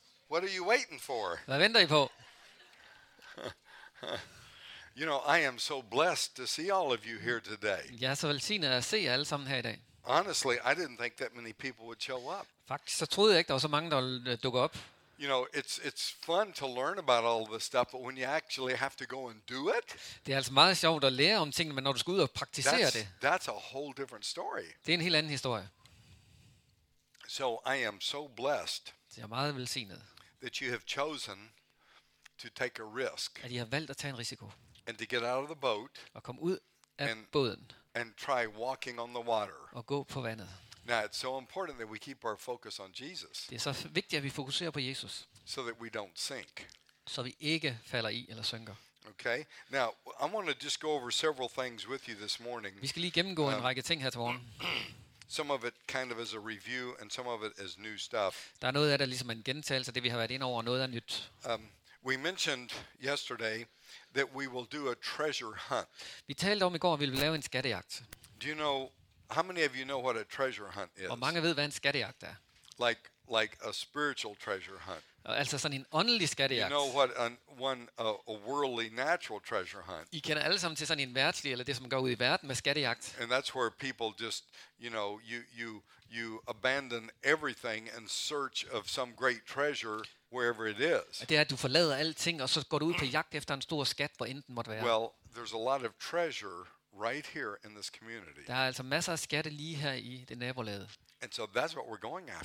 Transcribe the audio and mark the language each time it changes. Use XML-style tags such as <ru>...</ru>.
<en>What are you waiting for?</en> <da>Hvad venter I på?</da> <en>You know, I am so blessed to see all of you here today.</en> <da>Jeg er så velsignet at se jer alle sammen her I dag.</da> <en>Honestly, I didn't think that many people would show up.</en> <da>Faktisk så troede jeg ikke, der var så mange, der ville dukke op.</da> <en>You know, it's fun to learn about all this stuff, but when you actually have to go and do it,</en> <da>det er altså meget sjovt at lære om ting, men når du skal ud og praktisere det,</da> <en>that's a whole different story.</en> <da>Det er en helt anden historie.</da> <en>So I am so blessed.</en> <da>Jeg er meget velsignet.</da> <en>That you have chosen to take a risk.</en> <da>At I har valgt at tage en risiko.</da> <en>And to get out of the boat.</en> <da>Og komme ud af båden.</da> <en>And try walking on the water.</en> <da>Og gå på vandet.</da> <en>Now it's so important that we keep our focus on Jesus.</en> <da>Det er så vigtigt at vi fokuserer på Jesus.</da> <en>So that we don't sink.</en> <da>Så vi ikke falder I eller synker.</da> <en>Okay. Now I want to just go over several things with you this morning.</en> <da>Vi skal lige gennemgå en række ting her til morgen.</da> <en>Some of it kind of is a review, and some of it is new stuff.</en> <da>Der noget af det ligesom en gentagelse af det vi har været ind over, noget er nyt.</da> <en>We mentioned yesterday that we will do a treasure hunt.</en> <da>Vi talte om I går, at vi vil lave en skattejagt.</da> <en>Do you know how many of you know what a treasure hunt is?</en> <da>Hvor mange ved hvad en skattejagt er?</da> <en>Like a spiritual treasure hunt.</en> <da>Altså sådan en åndelig skattejagt.</da> <en>You know what a worldly natural treasure hunt.</en> <da>I kender alle sammen til sådan en verdslig eller det som går ud I verden med skattejagt.</da> <en>And that's where people just, you know, you abandon everything in search of some great treasure wherever it is.</en> <da>Det at du forlader alting og så går du ud på jagt efter en stor skat hvor end den måtte være.</da> <en>Well, there's a lot of treasure right here in this community.</en> <da>Der altså masser af skatte lige her I det nabolaget.</da> <en>And so that's what we're going after.</en>